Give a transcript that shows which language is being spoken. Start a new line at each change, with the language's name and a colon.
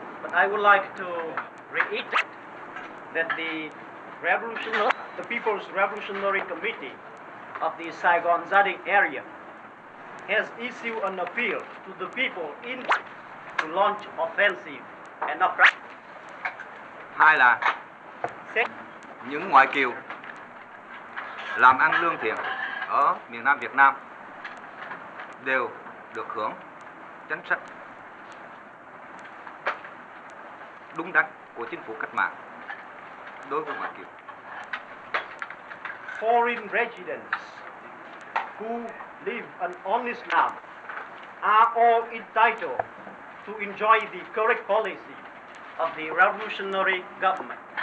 English: But I would like to reiterate that the the People's Revolutionary Committee of the Saigon Zadig area has issued an appeal to the people in to launch offensive and uprising.
Vietnamese: Hai là những ngoại kiều làm ăn lương thiện ở miền Nam Việt Nam đều được hưởng chính sách đúng đắn của chính phủ cách mạng đối với ngoại kiều.
English: Foreign residents who live an honest life are all entitled to enjoy the correct policy of the revolutionary government.